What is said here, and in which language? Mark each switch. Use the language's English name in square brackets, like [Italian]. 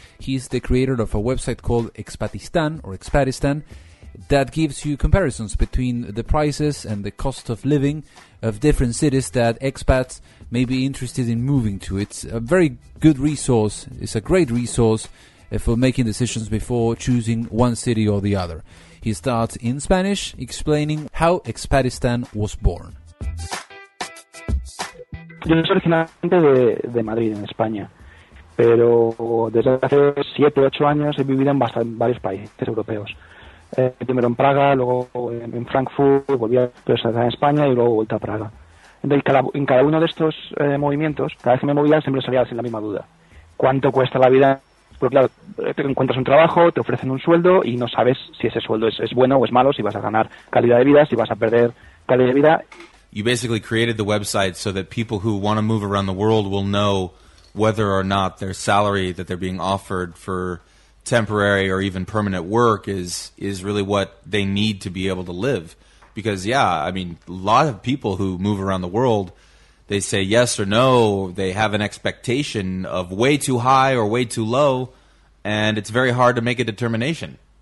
[English] He's the creator of a website called Expatistan, or Expatistan, that gives you comparisons between the prices and the cost of living of different cities that expats may be interested in moving to. It's a very good resource. It's a great resource for making decisions before choosing one city or the other. He starts in Spanish explaining how Expatistan was born. [Spanish] Yo soy originalmente de Madrid, en España, pero desde hace 7-8 años he vivido en varios países europeos. Primero en Praga, luego en Frankfurt, volví a estar en España y luego vuelta a Praga. Entonces, en cada uno de estos movimientos, cada vez que me movía siempre salía sin la misma duda. ¿Cuánto cuesta la vida? Porque claro, te encuentras un trabajo, te ofrecen un sueldo y no sabes si ese sueldo es bueno o es malo, si vas a ganar calidad de vida, si vas a perder calidad de vida. [English] You basically created the website so that people who want to move around the world will know whether or not their salary that they're being offered for temporary or even permanent work is really what they need to be able to live. Because, yeah, I mean, a lot of people who move around the world, they say yes or no, they have an expectation of way too high or way too low, and it's very hard to make a determination.